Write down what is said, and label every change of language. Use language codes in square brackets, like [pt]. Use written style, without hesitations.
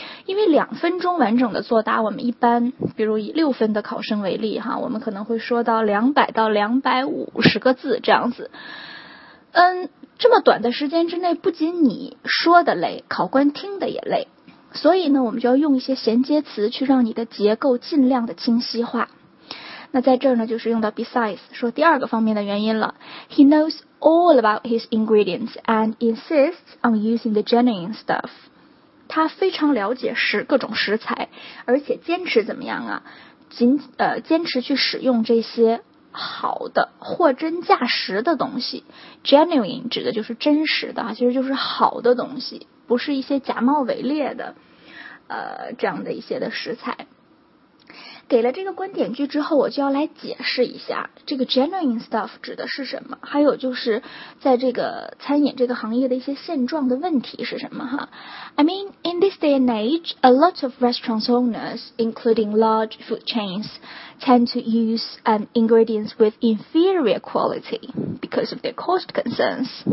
[zh] 因为两分钟完整的作答，我们一般比如以六分的考生为例哈，我们可能会说到200到250个字这样子。这么短的时间之内，不仅你说的累，考官听的也累，所以呢，我们就要用一些衔接词去让你的结构尽量的清晰化。那在这儿呢，就是用到 besides 说第二个方面的原因了。 [en] He knows all about his ingredients and insists on using the genuine stuff. [zh] 他非常了解各种食材，而且坚持怎么样啊，坚持去使用这些好的货真价实的东西。 genuine 指的就是真实的，其实就是好的东西，不是一些假冒伪劣的这样的一些的食材。给了这个观点句之后，我就要来解释一下这个 genuine stuff 指的是什么，还有就是在这个餐饮这个行业的一些现状的问题是什么哈。 [en] I mean, in this day and age, a lot of restaurant owners, including large food chains, tend to use ingredients with inferior quality because of their cost concerns.